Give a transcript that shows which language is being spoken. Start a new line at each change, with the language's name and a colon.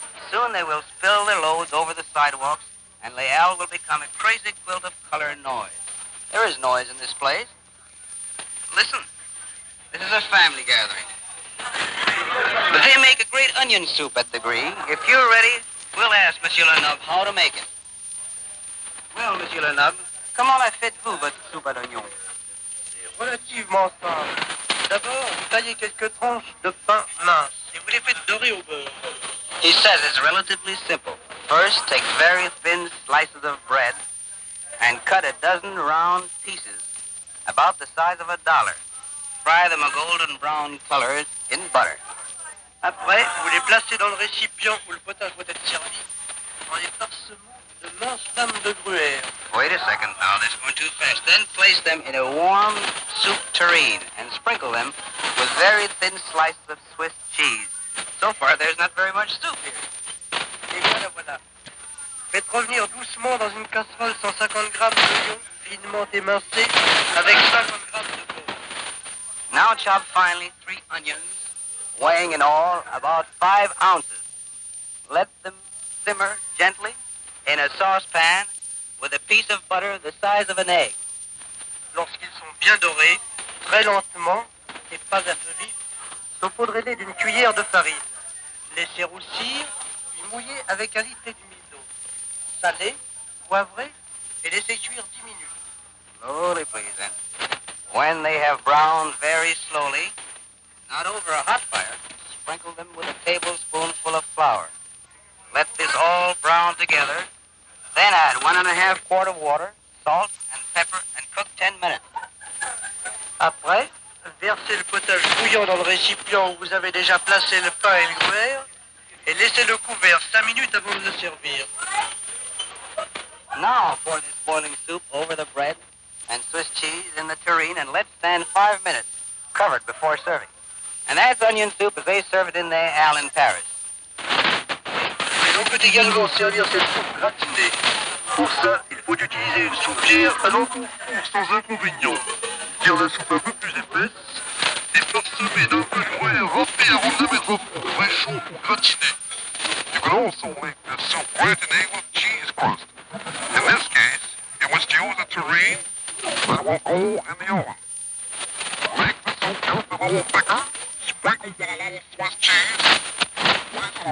English: Soon they will spill their loads over the sidewalks, and Les Halles will become a crazy quilt of color and noise. There is noise in this place. Listen, this is a family gathering. But they make a great onion soup at the Green. If you're ready, we'll ask Monsieur Lenoble how to make it.
French: Well, Monsieur Lenoble, comment la faites-vous, votre soupe à l'oignon? C'est relativement simple. D'abord, vous taillez quelques tranches de pain mince et vous les faites dorer au beurre.
English: He says it's relatively simple. First, take very thin slices of bread and cut a dozen round pieces about the size of a dollar. Fry them a golden brown color in butter.
French: Après, vous les placez dans le récipient où le potage doit être servi en les parsemant.
English: Wait a second. Now, this is going too fast. Then place them in a warm soup tureen and sprinkle them with very thin slices of Swiss cheese. So far, there's not very much soup here.
French: Faites revenir doucement dans une casserole 150 grammes d'oignons finement émincé avec 50 grammes de beurre.
English: Now chop finely three onions, weighing in all about 5 ounces. Let them simmer gently in a saucepan with a piece of butter the size of an egg.
French: Lorsqu'ils sont bien dorés, très lentement et pas à feu vif, saupoudrez-les d'une cuillère de farine. Laissez roussir, puis mouiller avec 1 litre d'huile d'eau. Salez, poivrez et laissez cuire 10 minutes.
English: Slowly, please, then. When they have browned very slowly, not over a hot fire, sprinkle them with a tablespoonful of flour. Let this all brown together. Then add 1.5 quart of water, salt, and pepper, and cook 10 minutes.
French: Après, versez le potage bouillant dans le récipient où vous avez déjà placé le pain et le gruyère, et laissez le couvert 5 minutes avant de le servir.
English: Now pour this boiling soup over the bread and Swiss cheese in the tureen, and let stand 5 minutes, covered before serving. And that's onion soup as they serve it in Les Halles in Paris.
French: On peut également servir cette soupe gratinée. Pour ça, il faut utiliser une soupière à l'encre four sans inconvénient. Faire la soupe un peu plus épaisse et parsemée d'un peu de gruyère râpé avant de la mettre au four très chaud ou gratiné.
English: You can also make the soup gratinée with cheese crust. In this case, in which you use a tureen that will go in the oven. Make the soup just a little thicker, sprinkle with a little Swiss cheese.